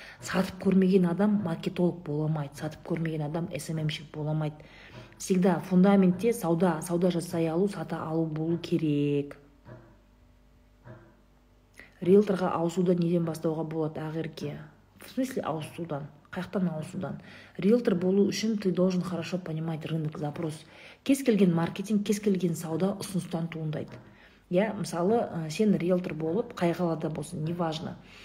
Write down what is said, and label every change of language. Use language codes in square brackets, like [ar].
[kk] Сатып көрмеген адам маркетолог бола алмайды, сатып көрмеген адам SMM-шік бола алмайды. [ru] Всегда [kk] фундаментте сауда жасай алу, сата алу болу керек. Риэлторға ауысуды неден бастауға болады, ағырке? [ru] В смысле [kk] ауысудан? Қайықтан ауысудан? Риэлтор болу үшін [ru] ты должен хорошо понимать рынок запрос. [kk] Кез келген маркетинг, кез келген сауда ұсыныстан туындайды. Я, мысалы, сен риэлтор болып, қай қалада болсын, [ru] неважно.